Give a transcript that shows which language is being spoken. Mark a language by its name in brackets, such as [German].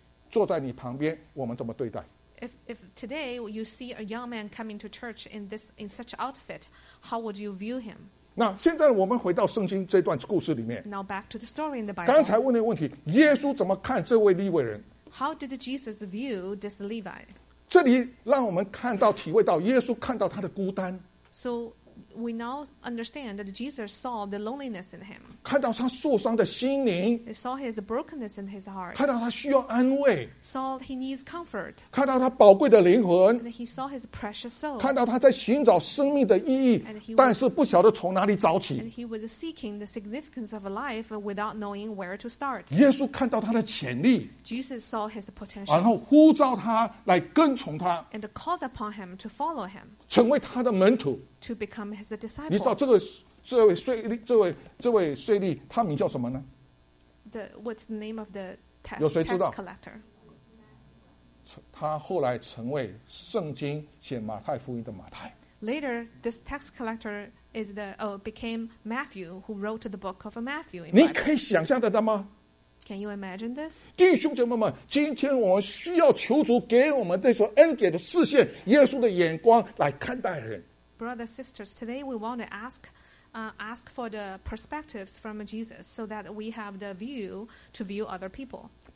[Chinese] 如果有这样的年轻走来教会，坐在你旁边，我们怎么对待？ [English] If today you see a young man coming to church in this in such outfit, how would you view him? [Chinese] 那现在我们回到圣经这段故事里面。 [English] Now back to the story in the Bible. [Chinese] 刚才问的问题，耶稣怎么看这位利未人？ [English] How did Jesus view this Levi? [Chinese] 这里让我们看到体会到耶稣看到他的孤单。 [English] So we now understand that Jesus saw the loneliness in him. [Chinese] 看到他受伤的心灵, [English] he saw his brokenness in his heart. [Chinese] 看到他需要安慰, [English] saw he needs comfort. [Chinese] 看到他宝贵的灵魂, [English] and he saw his precious soul. [Chinese] 看到他在寻找生命的意义, [English] and he was seeking the significance of a life without knowing where to start. [Chinese] 耶稣看到他的潜力, [English] Jesus saw his potential. [Chinese] 然后呼召他来跟从他, [English] and called upon him to follow him. [Chinese] 成为他的门徒, [English] to become his disciple. [Chinese] 你知道这个, 这位税吏, 他名叫什么呢? [English] What's the name of the tax collector? [Chinese] 他后来成为圣经写马太福音的马太。 [English] Later, this tax collector became Matthew, who wrote the book of Matthew. [Chinese] 你可以想象得到吗? [English] Can you imagine this? [Chinese] 弟兄姐妹们, 今天我们需要求主给我们这所恩典的视线, 耶稣的眼光来看待人。 [English] Brothers, sisters, today we want to ask for the perspectives from Jesus so that we have the view to view other people.